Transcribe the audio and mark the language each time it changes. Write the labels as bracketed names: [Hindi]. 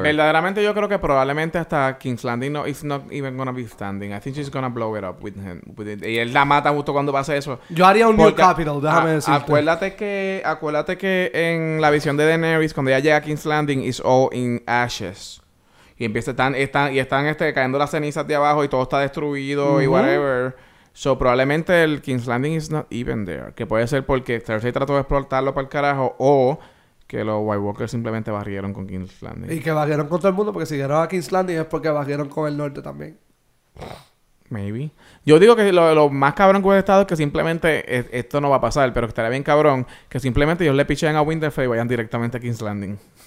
[Spanish] Verdaderamente yo creo que probablemente hasta [English] King's Landing no is not even gonna be standing. I think she's gonna blow it up with him. [Spanish] Y él la mata justo cuando pase eso. Yo haría un [English] new capital, [Spanish] déjame decirte. Acuérdate que en la visión de Daenerys, cuando ella llega a King's Landing, [English] it's all in ashes. [Spanish] Y empieza están cayendo las cenizas de abajo y todo está destruido y whatever. [English] So, [Spanish] probablemente el [English] King's Landing is not even there. [Spanish] Que puede ser porque Cersei trató de explotarlo para el carajo o que los White Walkers simplemente barrieron con King's Landing. Y que barrieron con todo el mundo porque si llegaron a King's Landing es porque barrieron con el norte también. [English] Maybe. [Spanish] Yo digo que lo más cabrón que hubiera estado es que simplemente esto no va a pasar, pero que estaría bien cabrón que simplemente ellos le picheen a Winterfell y vayan directamente a King's Landing.